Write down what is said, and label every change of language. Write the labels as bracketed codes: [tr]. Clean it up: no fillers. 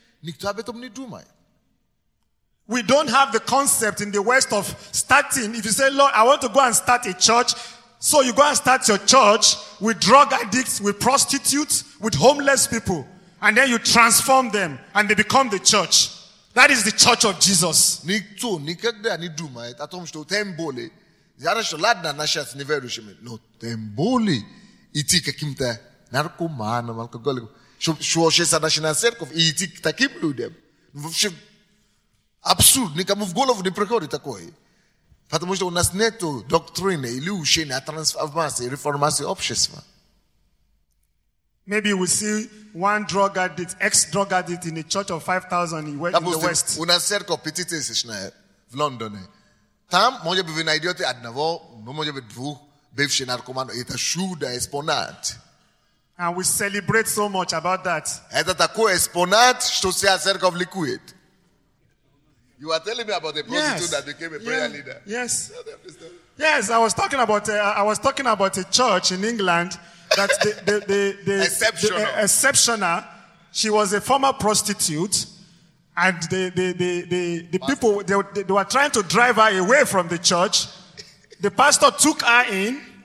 [ru] Никто об этом не думает. [en] We don't have the concept in the West of starting. If you say, Lord, I want to go and start a church, so you go and start your church with drug addicts, with prostitutes, with homeless people, and then you transform them, and they become the church. That is the church of Jesus. [ru] Никто никогда не думает о том, что тем более, я что ладно, начать с неверующими, но тем более, идти каким-то наркоманом, алкоголиком, что вообще начинать церковь и идти к таким людям. Вообще, абсурд, никому в голову не приходит такое. Потому что у нас нет доктрины или учения о трансформации, реформации общества. [en] Maybe we see one drug addict, ex-drug addict in a church of 5,000 in the West. [ru] У нас церковь 5,000 в Лондоне. Там, может быть, вы найдете одного, может быть, двух, бывший наркоман, это чудо, экспонат. [en] And we celebrate so much about that. [ru] Это такой экспонат, что вся церковь ликует. [en] You are telling me about the prostitute that became a prayer yeah. leader. Yes. Yes, I was talking about a church in England that the exceptional. She was a former prostitute, and the people were trying to drive her away from the church. The pastor took her in